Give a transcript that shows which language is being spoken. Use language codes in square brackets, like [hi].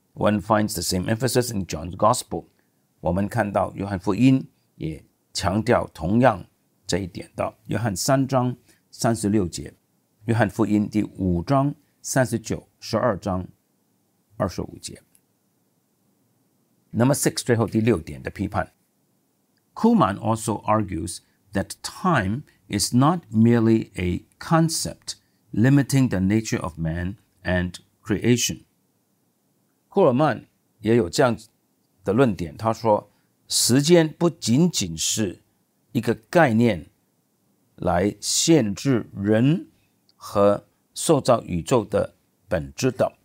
[en] One finds the same emphasis in John's Gospel. [zh] 我们看到约翰福音也强调同样这一点的。约翰三章三十六节，约翰福音第五章三十九、十二章二十五节。 [en] Number six, [zh] 最后第六点的批判。 [en] Kuhlmann also argues that time is not merely a concept limiting the nature of man and creation. [zh] 库尔曼也有这样的论点，他说时间不仅仅是一个概念来限制人和塑造宇宙的本质的。